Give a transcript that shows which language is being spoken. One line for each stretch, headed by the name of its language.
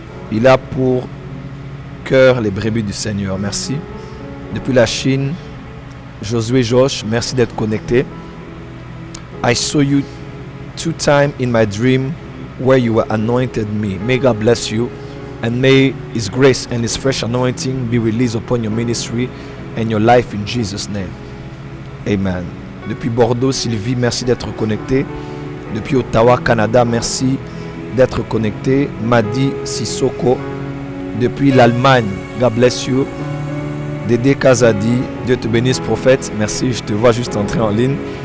French: Il a pour cœur les brebis du Seigneur. Merci. Depuis la Chine, Josué Josh, merci d'être connecté.
English: I saw you two times in my dream where you were anointed me. May God bless you and may His grace and His fresh anointing be released upon your ministry and your life in Jesus' name. Amen.
French: Depuis Bordeaux, Sylvie, merci d'être connecté. Depuis Ottawa, Canada, merci d'être connecté. Madi Sissoko. Depuis l'Allemagne,
English: God bless you.
French: Dédé Kazadi, Dieu te bénisse, prophète. Merci, je te vois juste entrer en ligne.